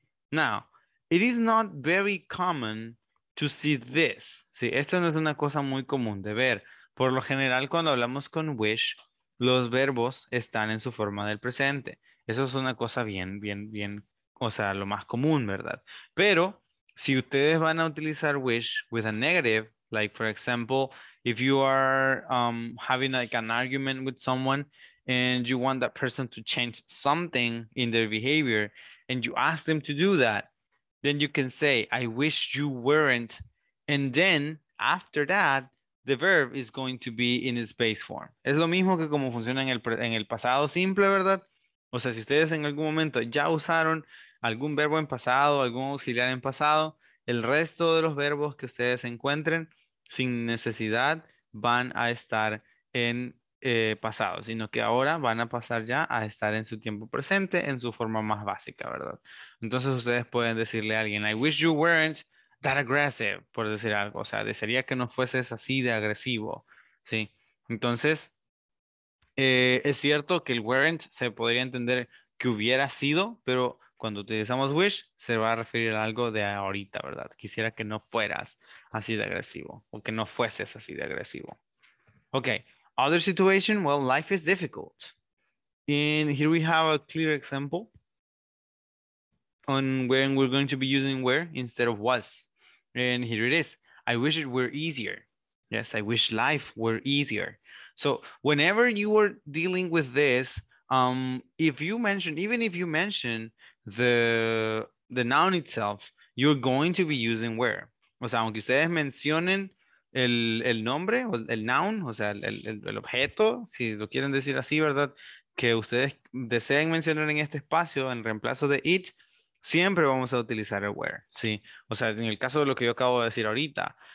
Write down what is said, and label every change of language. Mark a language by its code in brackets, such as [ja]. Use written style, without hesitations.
[en] Now, it is not very common to see this. [es] Sí, esto no es una cosa muy común de ver. Por lo general, cuando hablamos con wish, los verbos están en su forma del presente. Eso es una cosa bien, bien, bien, o sea, lo más común, ¿verdad? Pero si ustedes van a utilizar [en] wish with a negative, like for example, if you are having like an argument with someone and you want that person to change something in their behavior and you ask them to do that, then you can say, I wish you weren't. And then after that, the verb is going to be in its base form. [es] Es lo mismo que como funciona en el pasado simple, ¿verdad? O sea, si ustedes en algún momento ya usaron algún verbo en pasado, algún auxiliar en pasado, el resto de los verbos que ustedes encuentren sin necesidad van a estar en pasado, sino que ahora van a pasar ya a estar en su tiempo presente, en su forma más básica, ¿verdad? Entonces ustedes pueden decirle a alguien, [en] I wish you weren't that aggressive, [es] por decir algo. O sea, desearía que no fueses así de agresivo, ¿sí? Entonces, es cierto que el weren't se podría entender que hubiera sido, pero cuando utilizamos wish, se va a referir a algo de ahorita, ¿verdad? Quisiera que no fueras así de agresivo, o que no fueses así de agresivo. [en] Okay, other situation, well, life is difficult. And here we have a clear example on when we're going to be using where instead of was. And here it is. I wish it were easier. Yes, I wish life were easier. So whenever you are dealing with this, if you mention the noun itself, you're going to be using where. [es] O sea, aunque ustedes mencionen el nombre, o el noun, o sea, el objeto, si lo quieren decir así, ¿verdad? Que ustedes deseen mencionar en este espacio, en reemplazo de it, siempre vamos a utilizar el where, ¿sí? O sea, en el caso de lo que yo acabo de decir ahorita,